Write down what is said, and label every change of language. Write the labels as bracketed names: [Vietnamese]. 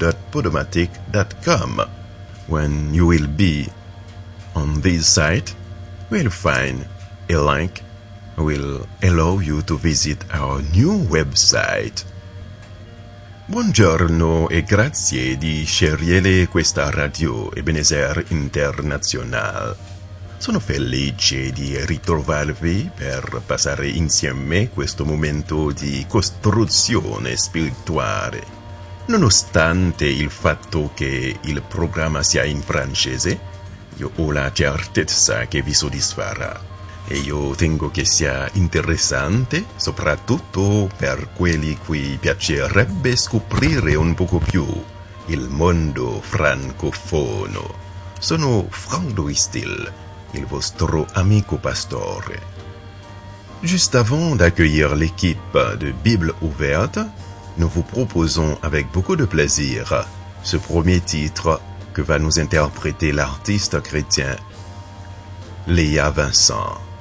[English] www.frankradio.podomatic.com. When you will be on this site, we'll find a link will allow you to visit our new website. [Italian] Buongiorno e grazie di scegliere questa radio Ebenezer International. Sono felice di ritrovarvi per passare insieme questo momento di costruzione spirituale. Nonostante il fatto che il programma sia in francese, io ho la certezza che vi soddisfarà. E io tengo che sia interessante, soprattutto per quelli cui piacerebbe scoprire un poco più il mondo francofono. Sono Frank Louis Steele, il vostro amico pastore. [French] Juste avant d'accueillir l'équipe de Bible ouverte, nous vous proposons avec beaucoup de plaisir ce premier titre que va nous interpréter l'artiste chrétien Léa Vincent.